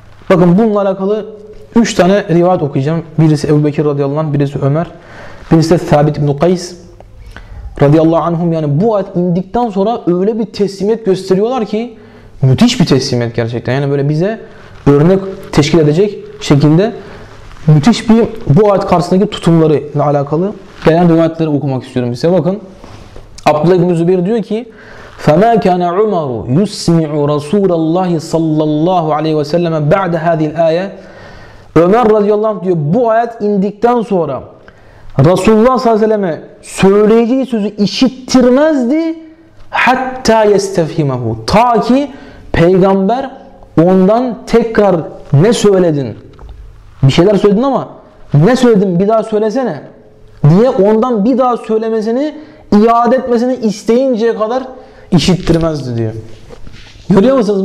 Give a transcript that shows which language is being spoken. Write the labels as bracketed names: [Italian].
[Turkish] Bakın bununla alakalı 3 tane rivayet okuyacağım. Birisi Ebu Bekir radıyallahu anh, birisi Ömer, birisi de Thabit ibn-i Kays radıyallahu anhum. Yani bu ayet indikten sonra öyle bir teslimiyet gösteriyorlar ki müthiş bir teslimiyet gerçekten. Yani böyle bize örnek teşkil edecek şekilde müthiş bir bu ayet karşısındaki tutumlarıyla alakalı gelen rivayetleri okumak istiyorum size. Bakın Abdullah ibn Zubeyr diyor ki [Arabic] فَمَا كَانَ عُمَرُ يُسْمِعُ رَسُولَ اللّٰهِ صَلَّى اللّٰهُ عَلَيْهِ وَسَلَّمَ بَعْدَ هَذِي الْآيَةِ. [Turkish] Ömer radıyallahu anh diyor bu ayet indikten sonra Resulullah sallallahu aleyhi ve selleme söyleyeceği sözü işittirmezdi [Arabic] حَتَّى يَسْتَفْهِمَهُ, [Turkish] ta ki peygamber ondan tekrar ne söyledin, bir şeyler söyledin ama ne söyledin bir daha söylesene diye ondan bir daha söylemesini, iade etmesini isteyinceye kadar işittirmezdi diyor. Görüyor musunuz?